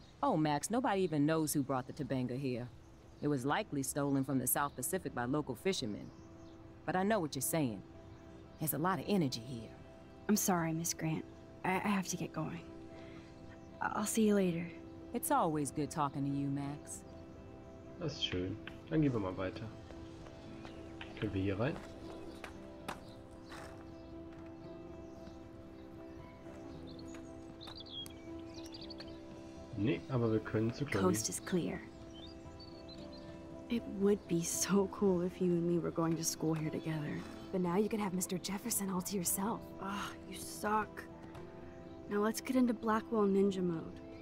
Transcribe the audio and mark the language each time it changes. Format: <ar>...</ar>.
<en>Oh, Max, nobody even knows who brought the Tubanga here. It was likely stolen from the South Pacific by local fishermen. But I know what you're saying. There's a lot of energy here. I'm sorry, Miss Grant. I have to get going. I'll see you later. It's always good talking to you, Max.</en> <de>Das ist schön. Dann gehen wir mal weiter. Können wir hier rein? Nee, aber wir können zu Chloe.</de> <en>Coast is clear. It would be so cool if you and me were going to school here together. But now you can have Mr. Jefferson all to yourself. Ugh, you suck. Now let's get into Blackwell Ninja mode.</en>